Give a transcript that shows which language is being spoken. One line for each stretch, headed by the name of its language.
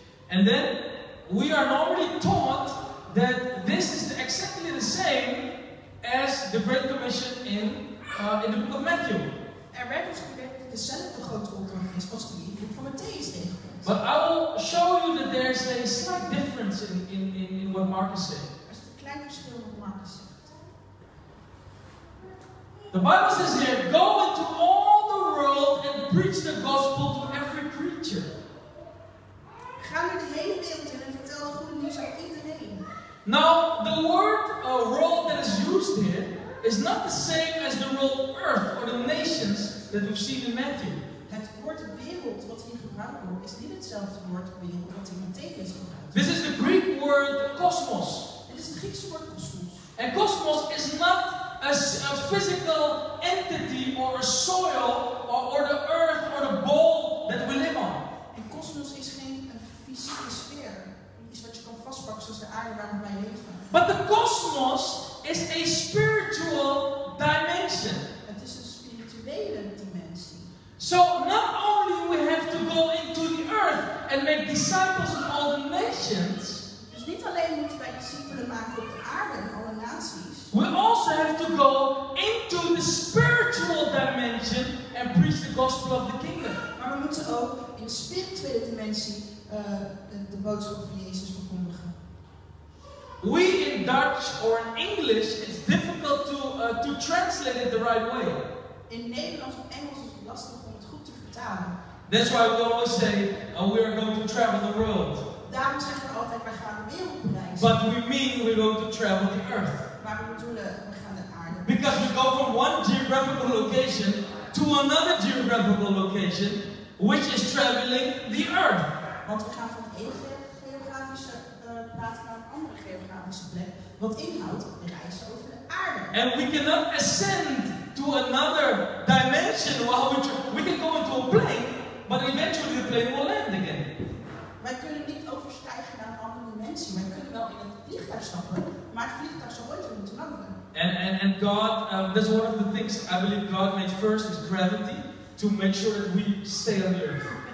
English: And then we are normally taught that this is exactly the same as the Great Commission in the book of Matthew.
Dutch: Er werd ons geleerd dezelfde grote opdracht is als die boek van Matthäus tegenkomt.
English: But I will show you that there is a slight difference in what Mark is saying.
Dutch: Er is een klein verschil in wat Mark zegt.
English: The Bible says here, go into all the world and preach the gospel to every creature.
Dutch: Ga naar de hele wereld en vertel het goede nieuws aan iedereen.
English: Now, the word world that is used here is not the same as the word earth or the nations that we've seen in Matthew.
Dutch: Het woord wereld wat hier gebruikt wordt is niet hetzelfde woord wereld wat in Matthew gebruikt.
English: This is the Greek word cosmos.
Dutch: Dit is het Griekse woord cosmos.
English: And cosmos is not a physical entity or a soil or the earth or the bowl that we live on. But the cosmos is a spiritual dimension.
Dutch: Het is een spirituele dimensie.
English: So not only we have to go into the earth and make disciples of all the nations.
Dutch: Dus niet alleen moeten wij discipelen maken op de aarde en alle naties.
English: We also have to go into the spiritual dimension and preach the gospel of the kingdom.
Dutch: Maar we moeten ook in de spirituele dimensie de boodschap van Jezus verkondigen.
English: We in Dutch or in English, it's difficult to translate it the right way.
Dutch: In Nederlands of Engels is het lastig om het goed te vertalen.
English: That's why we always say, we are going to travel the world.
Dutch: Daarom zeggen we altijd, we gaan de wereld bereizen.
English: But we mean we're going to travel the earth.
Dutch: Maar we bedoelen, we gaan de aarde.
English: Because we go from one geographical location to another geographical location, which is traveling the earth.
Dutch: Want we gaan van de ene geografische plaats naar een andere geografische plek, wat inhoudt reizen over de aarde.
English: And we cannot ascend to another dimension. We can go into a plane, but eventually the plane will land again.
Dutch: Wij kunnen niet overstijgen naar een andere dimensie. Wij kunnen wel in het vliegtuig stappen, maar het vliegtuig zal ooit weer moeten landen.
English: And God, that's one of the things I believe God made first is gravity to make sure that we stay on the earth.